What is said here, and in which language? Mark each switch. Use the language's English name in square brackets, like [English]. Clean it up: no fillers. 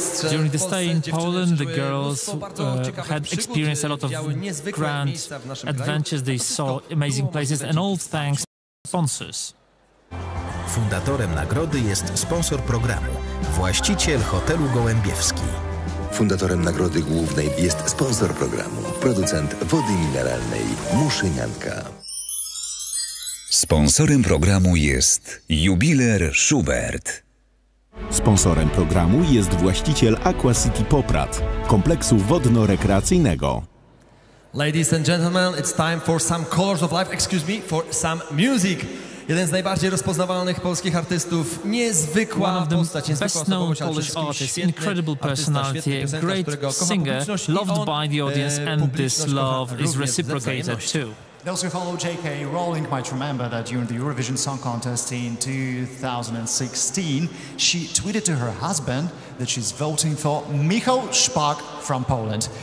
[English] During the stay in Poland, the girls had experienced a lot of grand adventures. They saw amazing places, and all thanks to sponsors. [Polish] Fundatorem nagrody jest sponsor programu, właściciel hotelu Gołębiewski. Fundatorem nagrody głównej jest sponsor programu, producent wody mineralnej Muszynianka. Sponsorem programu jest jubiler Schubert. Sponsorem programu jest właściciel Aqua City Poprad, kompleksu wodno-rekreacyjnego. [English] Ladies and gentlemen, it's time for some colors of life, excuse me, for some music. [Polish] Jeden z najbardziej rozpoznawalnych polskich artystów, niezwykła postać, [English] best-known Polish artist, incredible personality, great singer, loved by the audience, and this love is reciprocated too. Those who follow J.K. Rowling might remember that during the Eurovision Song Contest in 2016, she tweeted to her husband that she's voting for Michał Szpak from Poland.